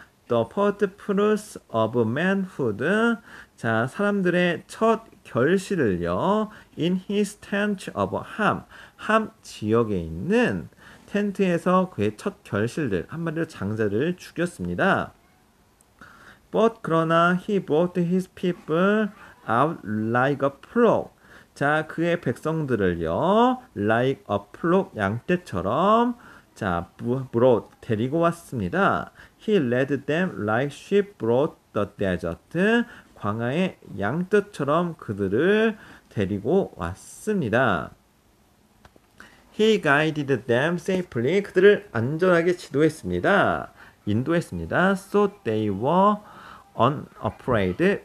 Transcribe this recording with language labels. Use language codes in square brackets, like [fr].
[en] The firstfruits of manhood. [ko] 자, 사람들의 첫 결실을요. [en] In his tent of Ham. [ko] 함 지역에 있는 텐트에서 그의 첫 결실들, 한마디로 장자들을 죽였습니다. [en] But 그러나 he brought his people out like a flock. [ko] 자, 그의 백성들을요, [en] like a flock [ko] 양떼처럼, 자, brought, 데리고 왔습니다. [en] He led them like sheep brought the desert. [ko] 광야의 양떼처럼 그들을 데리고 왔습니다. [en] He guided them safely. [ko] 그들을 안전하게 지도했습니다. 인도했습니다. [en] So they were unafraid.